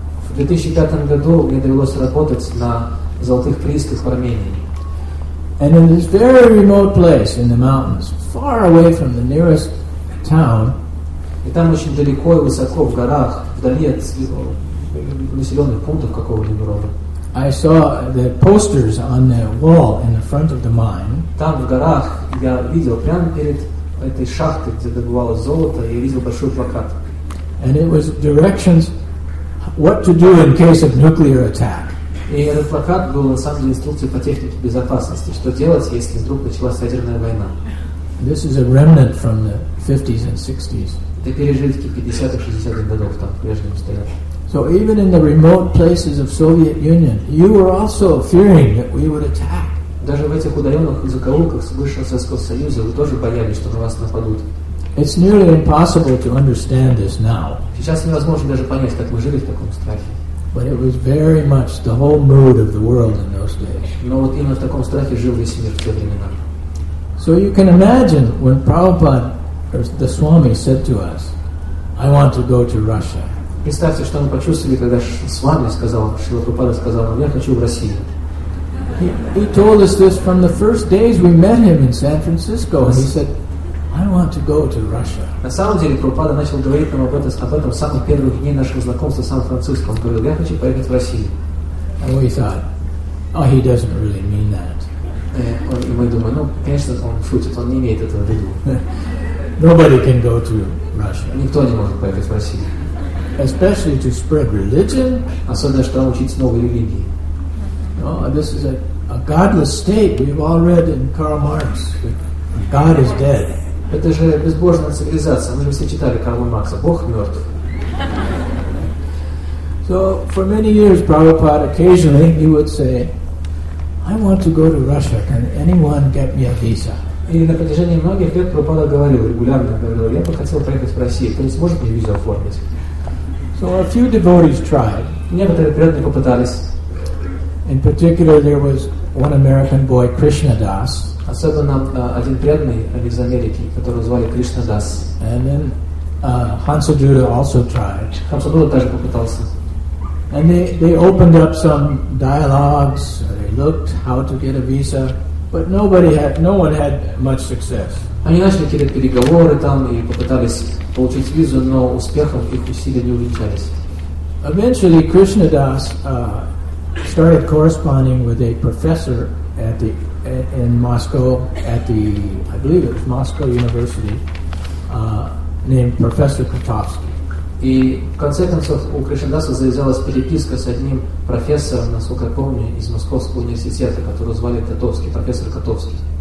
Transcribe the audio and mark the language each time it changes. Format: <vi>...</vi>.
<ru>В 2005 году мне довелось работать на золотых приисках в Армении.</ru> <en>And in this very remote place in the mountains, far away from the nearest town.</en> <ru>И там очень далеко и высоко в горах, вдали от населенных пунктов какого-либо рода.</ru> <en>I saw the posters on the wall in the front of the mine.</en> <ru>Там в горах я видел прямо перед этой шахтой, где добывалось золото, я видел большой плакат.</ru> <en>And it was directions what to do in case of nuclear attack.</en> <ru>И этот плакат был на самом деле инструкцией по технике безопасности, что делать, если вдруг началась ядерная война.</ru> <en>This is a remnant from the 50s and 60s.</en> <ru>Это пережитки 50-60-х годов там, в прежнем стоят.</ru> <en>So even in the remote places of Soviet Union, you were also fearing that we would attack.</en> <ru>Даже в этих удаленных закоулках бывшего Советского Союза вы тоже боялись, что на вас нападут.</ru> <en>It's nearly impossible to understand this now.</en> <ru>Сейчас невозможно даже понять, как мы жили в таком страхе.</ru> <en>But it was very much the whole mood of the world in those days.</en> <ru>Но вот именно в таком страхе жил весь мир в те времена.</ru> <en>So you can imagine when Prabhupada, or the Swami, said to us, "I want to go to Russia."</en> <ru>Представьте, что мы почувствовали, когда Свами сказал, Шрила Прабхупада сказал, "Я хочу в Россию."</ru> <en>He told us this from the first days we met him in San Francisco, and he said, "I want to go to Russia."</en> <ru>На самом деле, Прабхупада начал говорить нам об этом с самых первых дней нашего знакомства в Сан-Франциско. Он говорил, "Я хочу поехать в Россию."</ru> <en>And we thought, "Oh, he doesn't really mean that."</en> <ru>И мы думаем, ну, конечно, он шутит, он не имеет этого в виду.</ru> <en>Nobody can go to Russia.</en> <ru>Никто не может поехать в Россию.</ru> <en>Especially to spread religion.</en> <ru>Особенно, чтобы учить новой религии.</ru> <en>No, this is a godless state. We've all read in Karl Marx. God is dead.</en> <ru>Это же безбожная цивилизация. Мы же все читали Карла Маркса. Бог мертв.</ru> <en>So, for many years, Prabhupada, occasionally, he would say, "I want to go to Russia. Can anyone get me a visa?"</en> <ru>И на протяжении многих лет Прабхупада говорил, регулярно говорил, я бы хотел поехать в Россию, то есть может мне визу оформить.</ru> <en>So a few devotees tried.</en> <ru>Некоторые преданные попытались.</ru> <en>In particular, there was one American boy, Krishna Das.</en> <ru>Особенно один преданный из Америки, которого звали Кришна Дас.</ru> <en>And then Hansaduda also tried.</en> <ru>Hansaduda тоже попытался.</ru> <en>And they opened up some dialogues, they looked how to get a visa, but no one had much success.</en> <ru>Они начали какие-то переговоры там и попытались получить визу, но успехом их усилия не увенчались.</ru> <en>Eventually, Krishna Das started corresponding with a professor in Moscow at the, I believe it was Moscow University, named Professor Kotovsky.</en> <ru>И в конце концов у Кришнадаса завязалась переписка с одним профессором, насколько я помню, из Московского университета, которого звали Котовский, профессор Котовский.</ru>